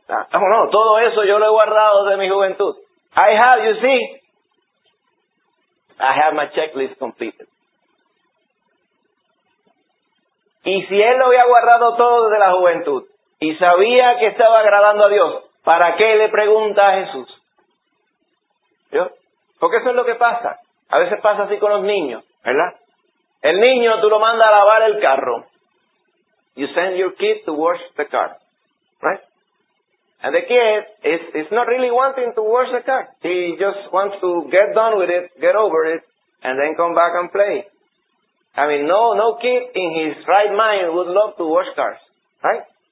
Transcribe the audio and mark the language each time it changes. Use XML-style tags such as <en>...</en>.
<es>No, no, todo eso yo lo he guardado desde mi juventud.</es> <en>I have, you see, I have my checklist completed.</en> <es>Y si él lo había guardado todo desde la juventud y sabía que estaba agradando a Dios, ¿para qué le pregunta a Jesús? ¿Yo? Porque eso es lo que pasa. A veces pasa así con los niños, ¿verdad? El niño tú lo mandas a lavar el carro.</es> <en>You send your kid to wash the car. Right? And the kid is not really wanting to wash the car. He just wants to get done with it, get over it, and then come back and play. I mean, no kid in his right mind would love to wash cars, right?</en>